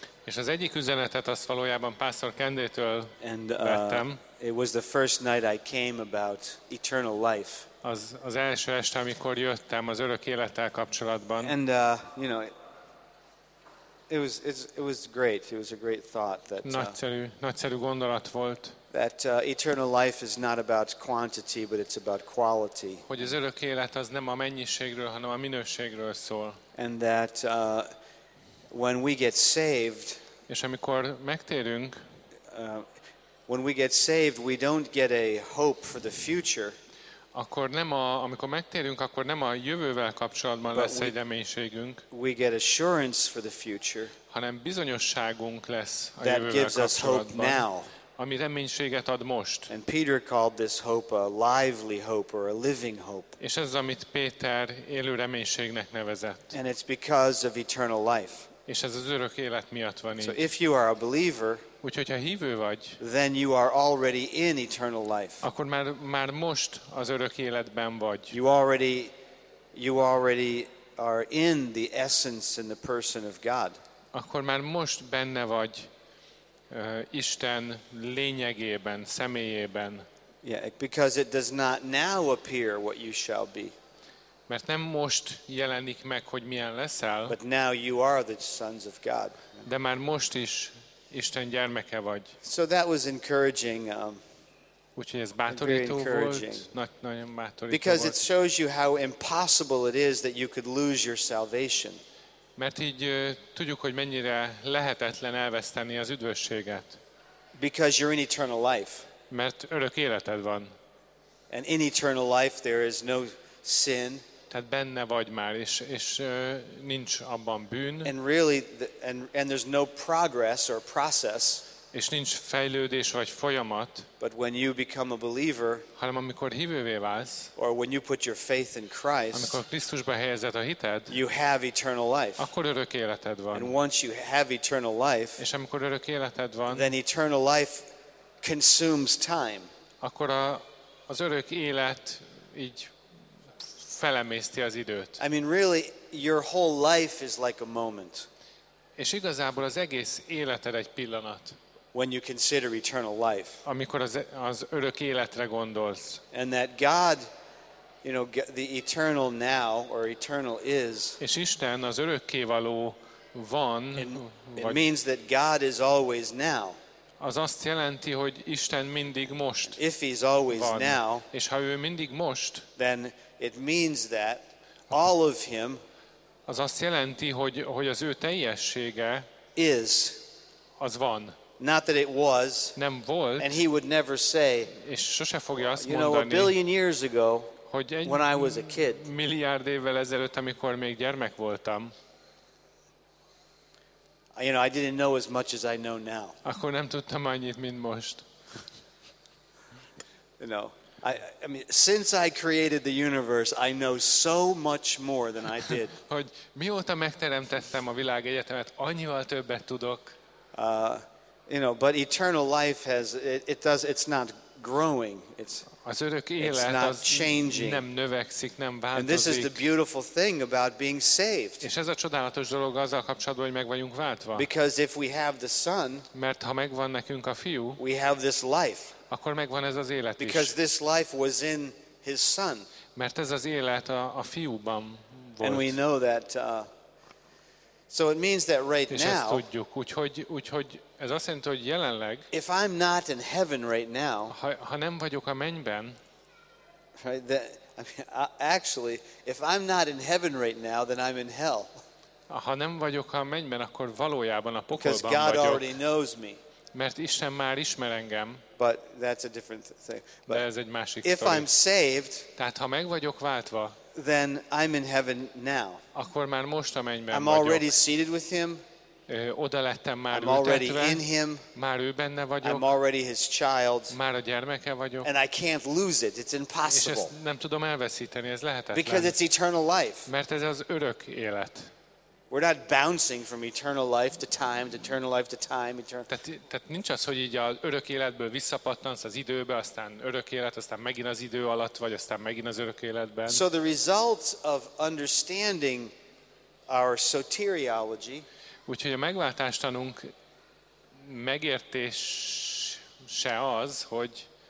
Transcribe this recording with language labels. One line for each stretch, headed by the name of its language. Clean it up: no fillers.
Hungarian: És az egyik üzenetet azt valójában Pastor Kendétől vettem.
English: It was the first night I came about eternal life.
Hungarian: Az első este, amikor jöttem az örök élettel kapcsolatban.
English: And it was great. It was a great thought that.
Hungarian: Nagyszerű gondolat volt.
English: That eternal life is not about quantity, but it's about quality.
Hungarian: Hogy az örök élet az nem a mennyiségről, hanem a minőségről szól.
English: And that when we get saved,
Hungarian: és amikor megtérünk,
English: when we get saved, we don't get a hope for the future.
Hungarian: Akkor nem a, amikor megtérünk, akkor nem a jövővel kapcsolatban lesz egy reménységünk.
English: We get assurance for the future.
Hungarian: Hanem bizonyosságunk lesz a jövővel kapcsolatban.
English: That gives us hope now.
Hungarian: Ami reménységet ad most.
English: And Peter called this hope a lively hope or a living hope.
Hungarian: És ez, amit Péter élő reménységnek nevezett.
English: And it's because of eternal life.
Hungarian: És ez az örök élet miatt van így.
English: So if you are a believer,
Hungarian: úgyhogy ha hívő vagy,
English: then you are already in eternal life.
Hungarian: Akkor már most az örök életben vagy.
English: You already are in the essence and the person of God.
Hungarian: Akkor már most benne vagy Isten lényegében, személyében.
English: Yeah, because it does not now appear what you shall be.
Hungarian: Mert nem most jelenik meg, hogy milyen leszel.
English: But now you are the sons of God.
Hungarian: De már most is Isten gyermeke vagy.
English: So that was encouraging.
Hungarian: Úgyhogy ez bátorító volt, nagyon bátorító volt.
English: Because it shows you how impossible it is that you could lose your salvation.
Hungarian: Mert így tudjuk, hogy mennyire lehetetlen elveszteni az üdvösséget.
English: Because you're in eternal life.
Hungarian: Mert örök életed van.
English: And in eternal life there is no sin.
Hungarian: Tehát benne vagy már, és nincs abban bűn.
English: And really and there's no progress or process.
Hungarian: És nincs fejlődés vagy folyamat.
English: But when you become a believer,
Hungarian: hanem amikor hívővé válsz,
English: or when you put your faith in Christ,
Hungarian: amikor Krisztusba helyezed a hited,
English: you have eternal life.
Hungarian: Akkor örök életed van.
English: And once you have eternal life,
Hungarian: és amikor örök életed van,
English: then eternal life consumes time.
Hungarian: Akkor az örök élet így felemészti az időt.
English: I mean really your whole life is like a moment.
Hungarian: És igazából az egész életed egy pillanat.
English: When you consider eternal life.
Hungarian: Amikor az örök életre gondolsz.
English: And that God, you know, the eternal now or eternal is.
Hungarian: És Isten az örökkévaló van.
English: It means that God is always now.
Hungarian: Az azt jelenti, hogy Isten mindig most.
English: If he's always
Hungarian: van,
English: now.
Hungarian: És ha ő mindig most.
English: Then it means that all of him.
Hungarian: Az azt jelenti, hogy az ő teljessége.
English: Is.
Hungarian: Az van.
English: Not that it was,
Hungarian: nem volt,
English: and he would never say,
Hungarian: és sose fogja azt
English: you know,
Hungarian: mondani,
English: a billion years ago,
Hungarian: hogy egy
English: when I was a kid,
Hungarian: milliárd évvel ezelőtt, amikor még gyermek voltam,
English: you know, I didn't know as much as I know now.
Hungarian: Akkor nem tudtam annyit, mint most.
English: You know, I mean, since I created the universe, I know so much more than I did.
Hungarian: Hogy mióta megteremtettem a világegyetemet, annyival többet tudok.
English: You know, but eternal life has it does it's not growing.
Hungarian: Az örök élet,
English: it's not changing.
Hungarian: Nem növekszik, nem változik.
English: And this is the beautiful thing about being saved.
Hungarian: És ez a csodálatos dolog azzal kapcsolatban, hogy meg vagyunk váltva.
English: Because if we have the Son,
Hungarian: mert ha megvan nekünk a fiú,
English: we have this life.
Hungarian: Akkor megvan ez az élet is.
English: Because this life was in his Son.
Hungarian: Mert ez az élet a fiúban volt.
English: And we know that so it means that right now.
Hungarian: És ezt tudjuk, úgyhogy ez azt jelenti, hogy jelenleg.
English: If I'm not in heaven right now.
Hungarian: Ha nem vagyok a mennyben.
English: Right, that, I mean, actually, if I'm not in heaven right now, then I'm in hell.
Hungarian: Ha nem vagyok a mennyben, akkor valójában a pokolban vagyok.
English: Because God already knows me.
Hungarian: Mert Isten már ismer engem.
English: But that's a different thing.
Hungarian: De ez egy másik sztori.
English: If I'm saved.
Hungarian: Tehát ha meg vagyok váltva.
English: Then I'm in heaven now.
Hungarian: Akkor már most a mennyben
English: I'm
Hungarian: vagyok.
English: Already seated with him.
Hungarian: Oda lettem már
English: I'm already
Hungarian: ültetve,
English: in him.
Hungarian: Már ő benne vagyok.
English: I'm already his child.
Hungarian: Már a gyermeke vagyok.
English: And I can't lose it. It's impossible.
Hungarian: És ezt nem tudom elveszíteni, ez lehetetlen.
English: Because it's eternal life.
Hungarian: Mert ez az örök élet.
English: We're not bouncing from eternal life to time, to eternal life to time, eternal.
Hungarian: Tehát nincs az, hogy így az örök életből visszapattansz az időbe, aztán örök élet, aztán megint az idő alatt, vagy aztán megint az örök életben.
English: So the results of understanding our soteriology.
Hungarian: Úgyhogy a megváltástanunk megértése az, hogy